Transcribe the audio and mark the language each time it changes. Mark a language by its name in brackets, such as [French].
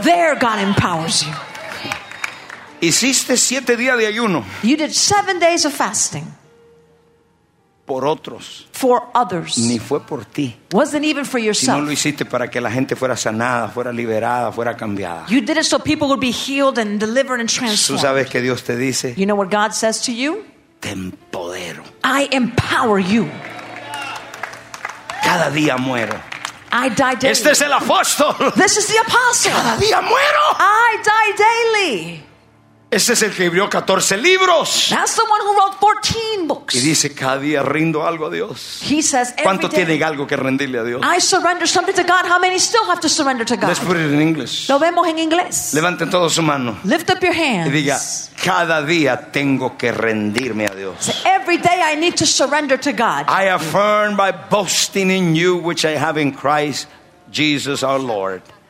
[English] There God empowers you. [Spanish] Hiciste siete días de ayuno. [English] You did 7 days of fasting. [Spanish] Por otros. [English] For others. [Spanish] Ni fue por ti. [English] Wasn't even for yourself. [Spanish] Sino lo hiciste para que la gente fuera sanada, fuera liberada, fuera cambiada. [English] You did it so people would be healed and delivered and transformed. [Spanish] Tú sabes que Dios te dice. [English] You know what God says to you? [Spanish] Te empodero. [English] I empower you. [Spanish] Cada día muero. [English] I die daily. [Spanish] Este es el apóstol. [English] This is the apostle. [Spanish] Cada día muero. [English] I die daily. [Spanish] Este es el que escribió 14 libros. [English] That's the one who wrote 14 books. [Spanish] Y dice, cada día rindo algo a Dios. [English] He says, [Spanish] ¿cuánto tiene algo que rendirle a Dios? [English] I surrender something to God. How many still have to surrender to God? Let's put it in English. [Spanish] Lo vemos en inglés. Levanten todos su mano. [English] Lift up your hands. [Spanish] Y diga, cada día tengo que rendirme a Dios. [English] So every day I need to surrender to God. I affirm by boasting in you which I have in Christ Jesus our Lord.